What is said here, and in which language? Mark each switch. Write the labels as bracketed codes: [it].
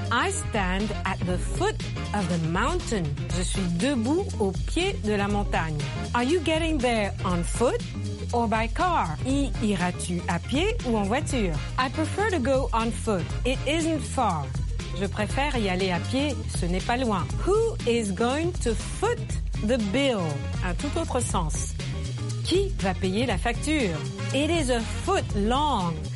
[en] I stand at the foot of the mountain. [fr] Je suis debout au pied de la montagne. [en] Are you getting there on foot or by car? [fr] Y iras-tu à pied ou en voiture? [en] I prefer to go on foot. It isn't far. [fr] Je préfère y aller à pied, ce n'est pas loin. [en] Who is going to foot the bill? [fr] Un tout autre sens. Qui va payer la facture? [en] It is a foot long.